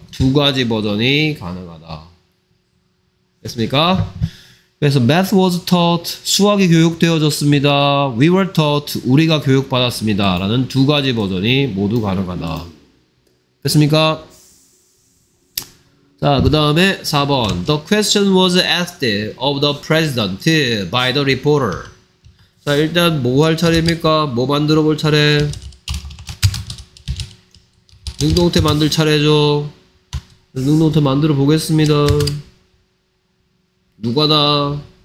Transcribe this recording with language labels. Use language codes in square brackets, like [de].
[ko] 두 가지 버전이 가능하다. 됐습니까? 그래서 [en] math was taught, [ko] 수학이 교육되어졌습니다. [en] we were taught, [ko] 우리가 교육받았습니다. 라는 두 가지 버전이 모두 가능하다. 됐습니까? 자, 그 다음에 4번. [en] The question was asked of the president by the reporter. [ko] 자, 일단 뭐 할 차례입니까? 뭐 만들어 볼 차례? 능동태 만들 차례죠. 능동태 만들어 보겠습니다. 누가 나?